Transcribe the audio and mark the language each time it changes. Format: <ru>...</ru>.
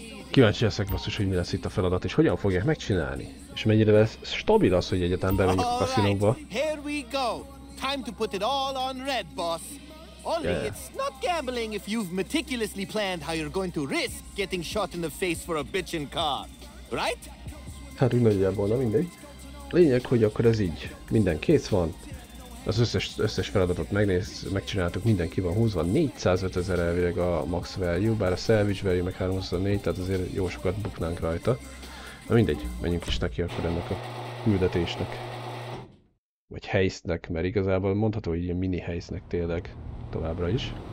<hu>Kíváncsi leszek basszus, hogy mi lesz itt a feladat, és hogyan fogják megcsinálni? És mennyire lesz stabil az, hogy egyetem bemegyünk a kaszinóba?</hu> <en>Here we go! Time to put it all on red, boss! Only it's not gambling if you've meticulously planned how you're going to risk getting shot in the face for a bitchin' car, right?</en> <hu>Hát úgy nagyjából, na mindegy. Lényeg, hogy akkor ez így, minden kész van. Az összes feladatot megcsináltuk, mindenki van húzva, 405 ezer elvileg a max value, bár a salvage value meg 324, tehát azért jó sokat buknánk rajta. Na mindegy, menjünk is neki akkor ennek a küldetésnek. Vagy heistnek, mert igazából mondható, hogy ilyen mini heistnek tényleg továbbra is.</hu>